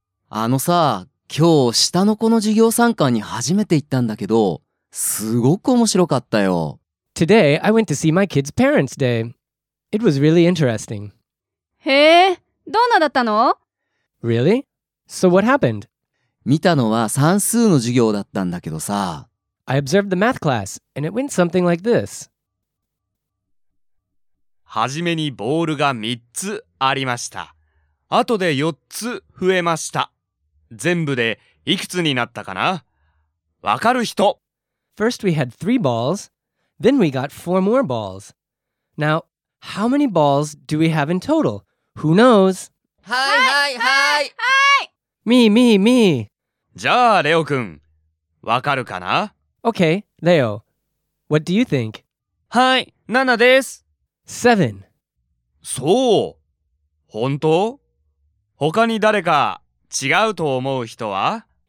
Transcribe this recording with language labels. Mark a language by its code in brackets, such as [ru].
[ja] あのさ、今日下の子の授業参観に初めて行ったんだけど、すごく面白かったよ。 [en] Today I went to see my kids' parents' day. It was really interesting. [ja] へえ、どんなだったの？ [en] Really? So what happened? [ja] 見たのは算数の授業だったんだけどさ。 [en] I observed the math class, and it went something like this. [ja] はじめにボールが3つありました。あとで4つ増えました。全部でいくつになったかな？わかる人？ [en] First we had 3 balls, then we got 4 more balls. Now, how many balls do we have in total? Who knows? [ja] はいはいはい！ [en] Me, me, me. [ja] じゃあ、レオくん、わかるかな？ [en] Okay, Leo. What do you think? [ja] はい、7です。 7。そう。本当？他に誰か違うと思う人は？